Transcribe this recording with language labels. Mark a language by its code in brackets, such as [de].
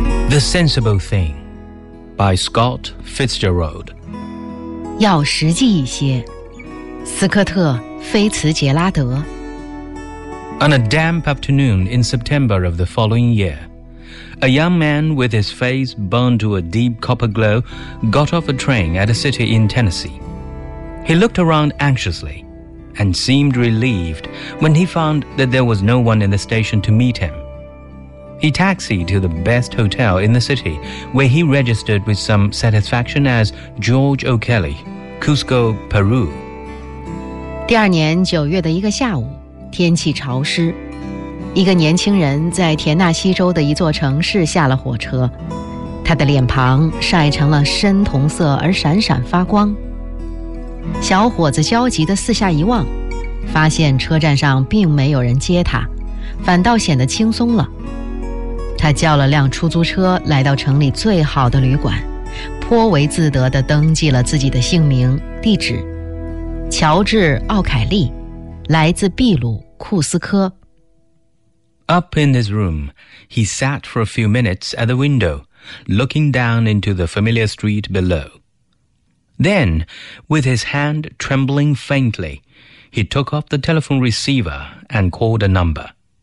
[en] The Sensible Thing by Scott Fitzgerald。 [zh] 要实际一些，斯科特·菲茨杰拉德。 [en] On a damp afternoon in September of the following year, a young man with his face burned to a deep copper glow got off a train at a city in Tennessee. He looked around anxiously and seemed relieved when he found that there was no one in the station to meet him. He taxied to the best hotel in the city, where he registered with some satisfaction as George O'Kelly. Cusco, Peru. [zh] 第二年九月的一个下午，天气潮湿，一个年轻人在田纳西州的一座城市下了火车，他的脸庞晒成了深铜色而闪闪发光。小伙子焦急地四下一望，发现车站上并没有人接他，反倒显得轻松了。他叫了辆出租车来到城里最好的旅馆，颇为自得地登记了自己的姓名、地址，乔治·奥凯利，来自秘鲁库斯科。 [en] Up in his room, he sat for a few minutes at the window, looking down into the familiar street below. Then, with his hand trembling faintly, he took off the telephone receiver and called a number.